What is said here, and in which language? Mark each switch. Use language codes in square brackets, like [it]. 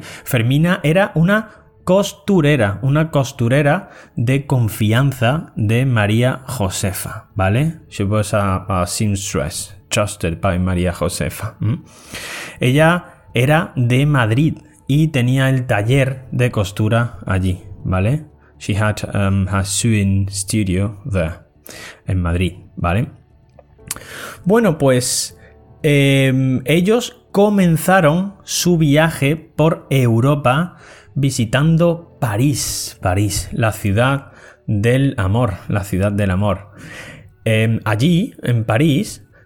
[es] Fermina era una costurera de confianza de María Josefa, ¿vale? [en] She was a seamstress, trusted by María Josefa. [es] Ella era de Madrid y tenía el taller de costura allí, ¿vale? [en] She had her sewing studio there, [es] en Madrid, ¿vale? Bueno, pues ellos comenzaron su viaje por Europa visitando París, la ciudad del amor. Allí, en París,